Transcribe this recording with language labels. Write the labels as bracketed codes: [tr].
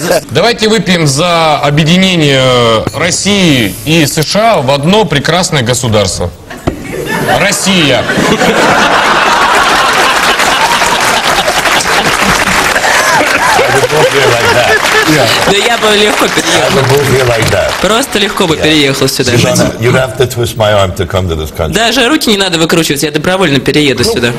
[ru] Давайте выпьем за объединение России и США в одно прекрасное государство. Россия. [en] I would not be like that. [ru] Да я бы легко переехал. Просто легко бы переехал сюда. [en] You have to twist my arm to come to this country. [ru] Даже руки не надо выкручивать, я добровольно перееду сюда.